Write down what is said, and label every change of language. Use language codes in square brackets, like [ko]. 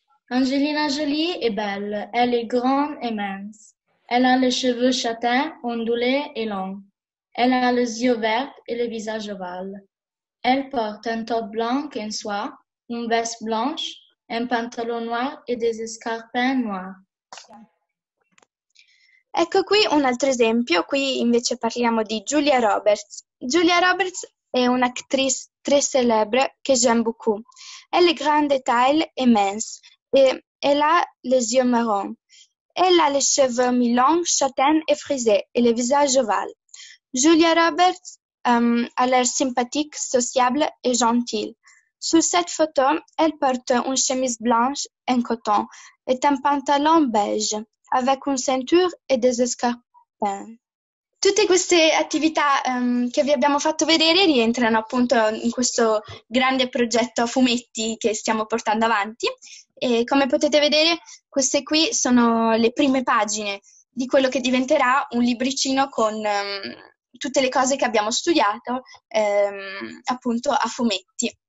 [fr] Angelina Jolie est belle, elle est grande et mince. Elle a les cheveux châtains, ondulés et longs. Elle a les yeux verts et le visage ovale. Elle porte un top blanc en soie, une veste blanche, un pantalon noir et des escarpins noirs. [it] Ecco qui un altro esempio, qui invece parliamo di Julia Roberts. [fr] Julia Roberts [it] è [fr] un'actrice très célèbre [it] che [fr] j'aime beaucoup. Elle est grande taille et mince, et elle a les yeux marrons. Elle a les cheveux mi-longs, châtains et frisés, et le visage ovale. Julia Roberts a l'air sympathique, sociable et gentille. [it] Su [fr] cette photo, elle porte une chemise blanche en coton et un pantalon beige, avec une ceinture et des escarpins. [it] Tutte queste attività che vi abbiamo fatto vedere rientrano appunto in questo grande progetto a fumetti che stiamo portando avanti. E come potete vedere, queste qui sono le prime pagine di quello che diventerà un libricino con tutte le cose che abbiamo studiato appunto a fumetti.